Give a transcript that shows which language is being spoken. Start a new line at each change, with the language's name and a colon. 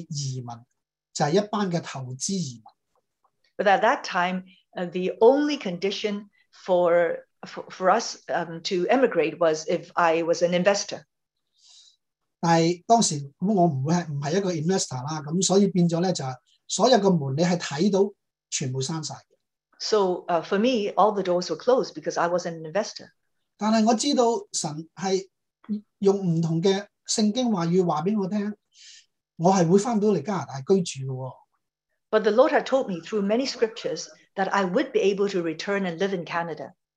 Chinese: 但是在当时的环境，是唯一可以移民，就是一班的投资移民。
English: But at that time, the only condition for us to emigrate was if I was an investor.
Chinese: 但是当时我不是一个investor，所以变成所有的门你是看到全部关了。
English: For me, all the doors were closed because I was an investor.
Chinese: 但是我知道神是用不同的圣经话语告诉我，我是会回到加拿大居住的。
English: But the Lord had told me through many scriptures that I would be able to return and live in Canada.